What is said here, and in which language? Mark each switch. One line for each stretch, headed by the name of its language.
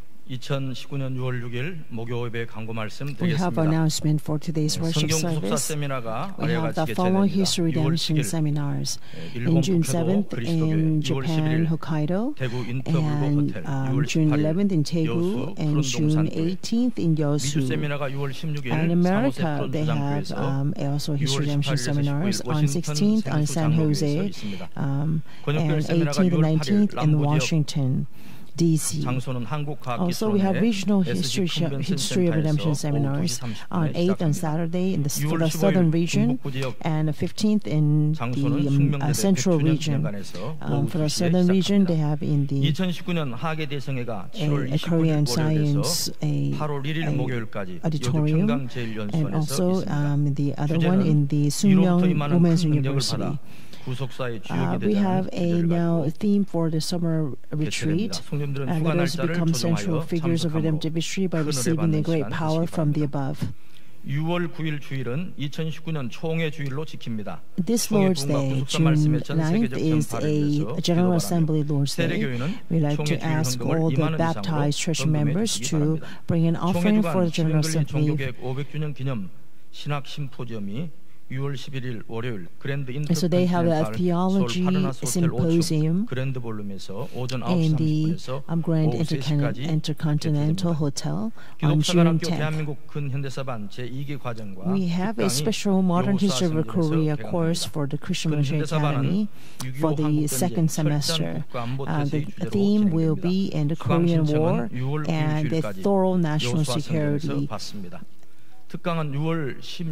Korean: 2019년 6월 6일 목요일의 강구 말씀 드리겠습니다.
English: We have announcement for today's worship service. We have the Follow His Redemption seminars in June 7th in Japan, Hokkaido, and June 11th in Daegu, and June 18th in Yeosu. And in America, they have also His Redemption seminars on 16th on San Jose, and 18th and 19th in Washington. DC. Also, we have regional history of redemption seminars on 8th on Saturday in the southern region and 15th in the central region. For the southern region, they have in the Korean Science Auditorium and also the other one in the Sunmyung Women's University. We have a now theme for the summer retreat, and that is to become central figures of redemptive history by receiving the great power from the above.
Korean: 6월 9일 주일은 2019년 총회 주일로 지킵니다.
English: This Lord's Day, June 9th, is a General Assembly Lord's Day. We like to ask all the baptized church members to bring an offering for the General Assembly.
Korean: 500주년 기념 신학 심포지엄이 6월 11일 월요일 그랜드 인터
English: So they have a theology symposium in the Grand Intercontinental Hotel on June 10th.
Korean: 대한민국 근현대사반 제2기 과정과
English: We have a special modern history of Korea course for the Christian Military Academy for the second semester. The theme will be in the Korean War and the thorough national security.
Korean: 특강은 6월